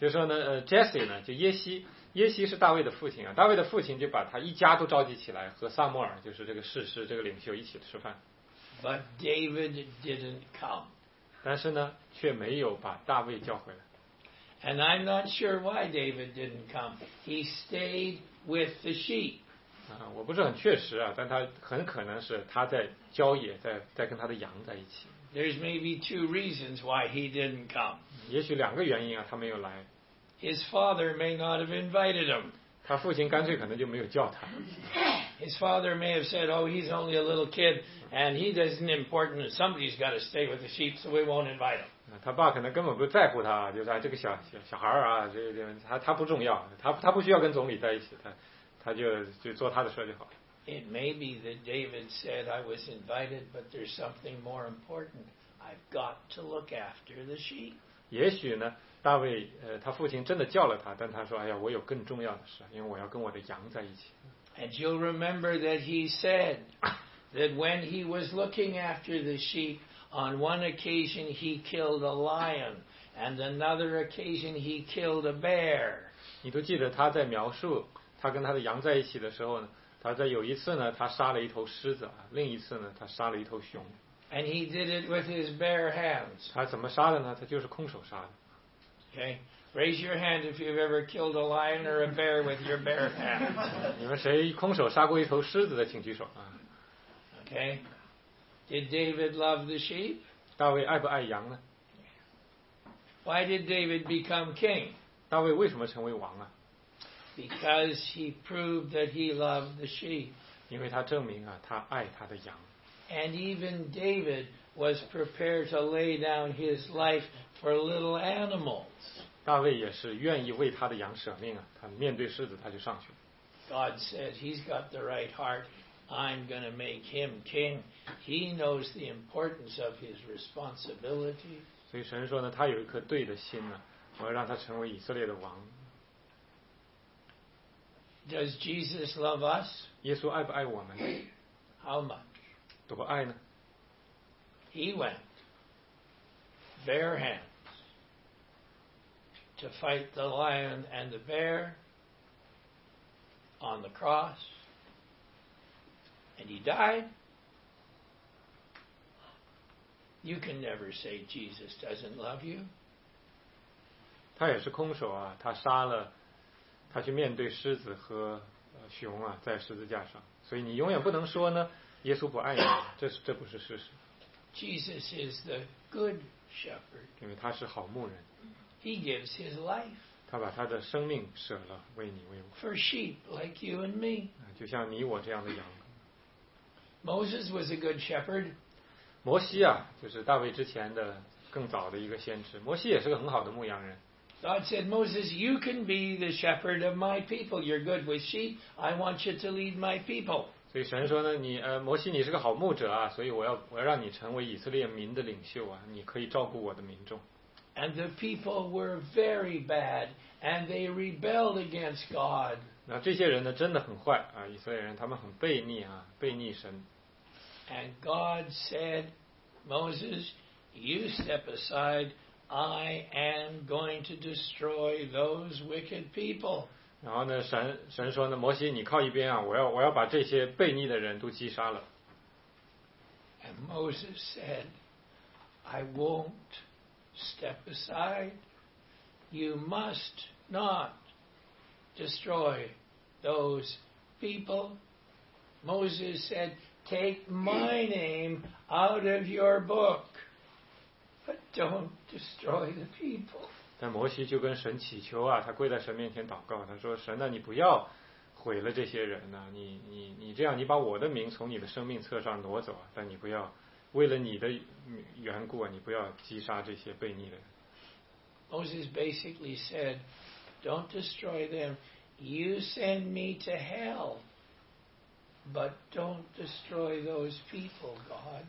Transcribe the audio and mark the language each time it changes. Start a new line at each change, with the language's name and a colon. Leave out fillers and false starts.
Chinese: 就说呢，Jesse 呢，就耶西是大卫的父亲啊。大卫的父亲就把他一家都召集起来，和撒母耳，就是这个士师这个领袖一起吃饭。
English: But David didn't come.
Chinese: 但是呢，却没有把大卫叫回来。
English: And I'm not sure why David didn't come. He stayed with the sheep.
Chinese: 我不是很确实啊，但他很可能是他在郊野，在跟他的羊在一起。
English: There's maybe two reasons why he didn't come.
Chinese: 也许两个原因啊，他没有来。
English: His father may not have invited him.
Chinese: 他父亲干脆可能就没有叫他。
English: His father may have said, oh, he's only a little kid, and he isn't important, and somebody's got to stay with the sheep, so we won't invite him.
Chinese: 他爸可能根本不在乎他，就是这个小孩啊，他不重要，他不需要跟总理在一起，他就做他的事就好了。
English: It may be that David said, I was invited, but there's something more important. I've got to look after the sheep.
Chinese: 也许呢，大卫他父亲真的叫了他，但他说，哎呀，我有更重要的事，因为我要跟我的羊在一起。
English: And you'll remember that he said that when he was looking after the sheep, on one occasion he killed a lion, and another occasion he killed a bear.
Chinese: 你都记得他在描述他跟他的羊在一起的时候呢，他在有一次呢，他杀了一头狮子，另一次呢，他杀了一头熊。
English: And he did it with his bare hands.
Chinese: 他怎么杀的呢？他就是空手杀的。
English: Okay, raise your hand if you've ever killed a lion or a bear with your bare hands.
Chinese: 你们谁空手杀过一头狮子的，请举手啊。
English: Okay, did David love the sheep?
Chinese: 大卫爱不爱羊呢？
English: Why did David become king?
Chinese: 大卫为什么成为王啊？
English: Because he proved that he loved the sheep.
Chinese: 因为他证明啊，他爱他的羊。
English: And even David was prepared to lay down his life for little animals.
Chinese: 大卫也是愿意为他的羊舍命啊，他面对狮子他就上去了。
English: God said he's got the right heart. I'm going to make him king. He knows the importance of his responsibility.
Chinese: 所以神说呢，他有一颗对的心呢，我要让他成为以色列的王。
English: Does Jesus love us?
Chinese: 耶稣爱不爱我们？
English: How much?
Chinese: 多爱呢？
English: He went bare hands to fight the lion and the bear on the cross, and he died. You can never say Jesus doesn't love you.
Chinese: 他也是空手啊，他杀了，他去面对狮子和熊啊，在十字架上，所以你永远不能说呢。耶稣不爱你，这不是事实。
English: Jesus is the good shepherd.
Chinese: 因为他是好牧人。
English: He gives his life.
Chinese: 他把他的生命舍了，为你为我。
English: For sheep like you and me.
Chinese: 就像你我这样的羊。
English: Moses was a good shepherd.
Chinese: 摩西啊，就是大卫之前的更早的一个先知。摩西也是个很好的牧羊人。
English: God said, Moses, you can be the shepherd of my people. You're good with sheep. I want you to lead my people.
Chinese: 所以神说呢，你摩西，你是个好牧者啊，所以我要让你成为以色列民的领袖啊，你可以照顾我的民众。
English: And the people were very bad, and they rebelled against God.
Chinese: 那这些人呢，真的很坏啊，以色列人他们很悖逆啊，悖逆神。
English: And God said, Moses, you step aside, I am going to destroy those wicked people.
Chinese: 然后呢，神说呢，摩西，你靠一边啊，我要把这些悖逆的人都击杀了。
English: And Moses said, I won't step aside. You must not destroy those people. Moses said, take my name out of your book, but don't destroy the people.
Chinese: 但摩西就跟神祈求啊，他跪在神面前祷告，他说，神啊，你不要毁了这些人啊，你这样，你把我的名从你的生命册上挪走，但你不要为了你的缘故啊，你不要击杀这些悖逆的人。
English: Moses basically said, don't destroy them. You send me to hell, but don't destroy those people, God.